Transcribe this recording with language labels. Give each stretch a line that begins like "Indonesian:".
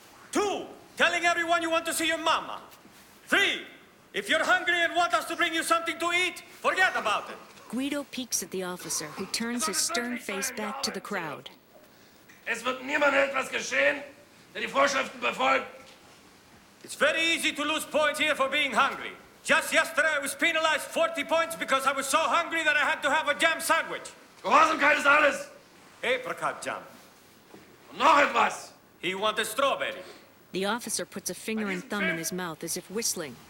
English: Two, telling everyone you want to see your mama. Three, if you're hungry and want us to bring you something to eat, forget about it. Guido peeks at the officer, who turns his stern face back to the crowd.
German: Es wird niemand etwas geschehen, der die Vorschriften befolgt.
English: It's very easy to lose points here for being hungry. Just yesterday, I was penalized 40 points because I was so hungry that I had to have a jam sandwich.
German: Gehorsamkeit ist alles.
English: Apricot jam.
German: Noch etwas.
English: He wanted strawberry. The officer puts a finger and thumb in his mouth as if whistling.